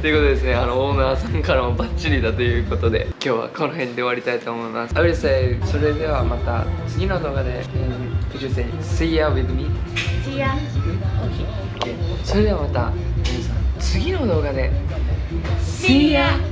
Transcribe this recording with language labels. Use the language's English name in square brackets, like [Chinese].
[Japanese] ということでですね、オーナーさんからもバッチリだということで、今日はこの辺で終わりたいと思います。 [English] I will say, [Japanese] それではまた次の動画で、 [English] could you say, see ya with me? See ya. Okay. [Japanese] それではまた、皆さん。次の動画で [English] See ya。